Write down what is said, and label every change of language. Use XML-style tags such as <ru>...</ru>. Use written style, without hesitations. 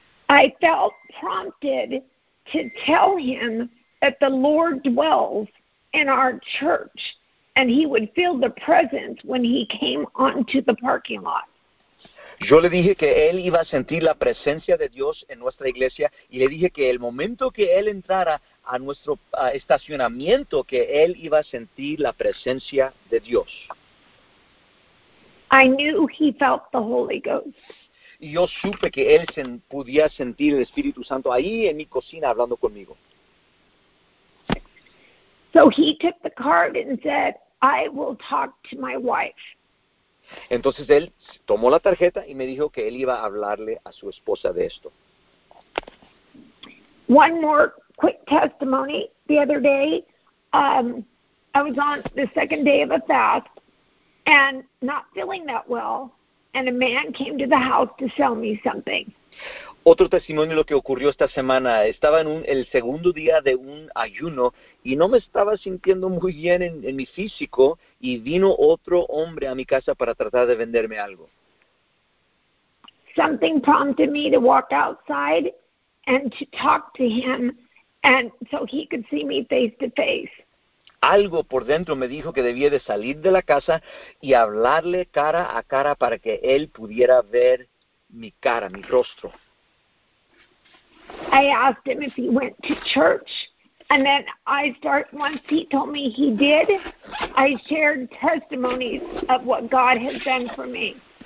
<en>I felt prompted to tell him that the Lord dwells in our church and he would feel the presence when he came onto the parking lot.</en> <es>Yo le dije que él iba a sentir la presencia de Dios en nuestra iglesia y le dije que el momento que él entrara a nuestro estacionamiento, que él iba a sentir la presencia de Dios.</es> <en>I knew he felt the Holy Ghost.</en> <es>Y yo supe que él podía sentir el Espíritu Santo ahí en mi cocina hablando conmigo.</es> <en>So he took the card and said, I will talk to my wife.</en> <es>Entonces él tomó la tarjeta y me dijo que él iba a hablarle a su esposa de esto.</es> <en>One more quick testimony. The other day, I was on the second day of a fast and not feeling that well, and a man came to the house to sell me something.</en> <es>Otro testimonio de lo que ocurrió esta semana. Estaba en el segundo día de un ayuno y no me estaba sintiendo muy bien en mi físico y vino otro hombre a mi casa para tratar de venderme algo.</es> <en>Something prompted me to walk outside and to talk to him and so he could see me face to face.</en> <es>Algo por dentro me dijo que debía de salir de la casa y hablarle cara a cara para que él pudiera ver mi cara, mi rostro.</es> <en>I asked him if he went to church, and then once he told me he did, I shared testimonies of what God has done for me.</en>